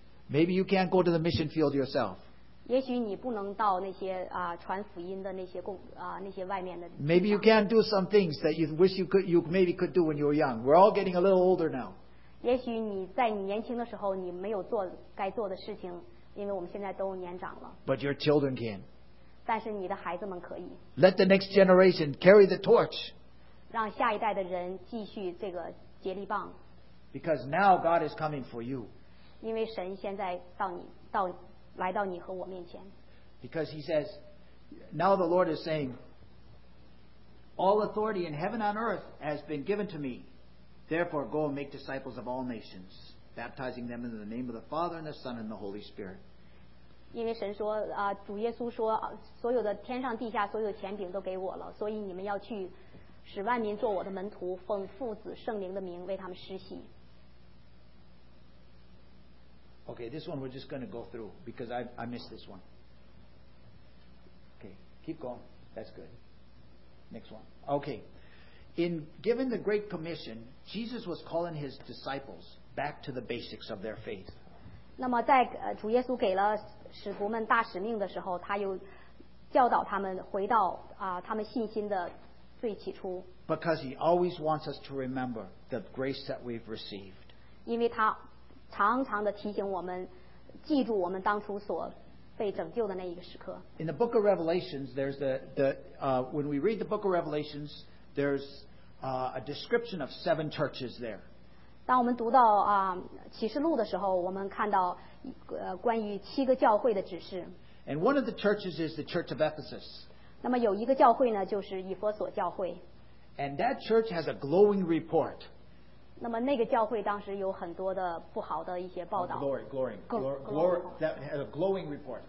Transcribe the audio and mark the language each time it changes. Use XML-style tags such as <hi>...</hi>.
<en>maybe you can't go to the mission field yourself.</en> <zh>也许你不能到那些, 传福音的那些,</zh> <en>maybe you can't do some things that you wish you could, you maybe could do when you were young. We're all getting a little older now.</en> <zh>也许你在你年轻的时候, 你没有做该做的事情,</zh> <en>but your children can.</en> <zh>但是你的孩子们可以。</zh> <en>Let the next generation carry the torch.</en> <zh>让下一代的人继续这个接力棒。</zh> <en>Because now God is coming for you.</en> <zh>因为神现在到你和我面前。</zh> <en>Because he says, now the Lord is saying, all authority in heaven and earth has been given to me. Therefore go and make disciples of all nations, baptizing them in the name of the Father and the Son and the Holy Spirit.</en> <zh>因为神说, 主耶稣说, 所有的天上地下, 所有的权柄都给我了, 所以你们要去, 使万民做我的门徒, 奉父子, 圣灵的名,</zh> <en>okay, this one we're just going to go through because I missed this one. Okay, keep going. That's good. Next one. Okay. In giving the Great Commission, Jesus was calling his disciples back to the basics of their faith.</en> <zh>那么在, 主耶稣给了 使徒们大使命的时候, 他又教导他们回到, 他们信心的最起初,</zh> <en>because he always wants us to remember the grace that we've received.</en> <zh>因为他常常的提醒我们, 记住我们当初所被拯救的那一个时刻。</zh> <en>In the book of Revelations, there's when we read the book of Revelations, there's a description of seven churches there.</en> <zh>当我们读到, 启示录的时候, 我们看到, 关于七个教会的指示。</zh> <en>And one of the churches is the church of Ephesus.</en> <zh>那么有一个教会呢, 就是以弗所教会。</zh> <en>And that church has a glowing report.</en> <zh>那么那个教会当时有很多的不好的一些报道。</zh> <en>Oh, glory, glory, glory, that had a glowing report.</en>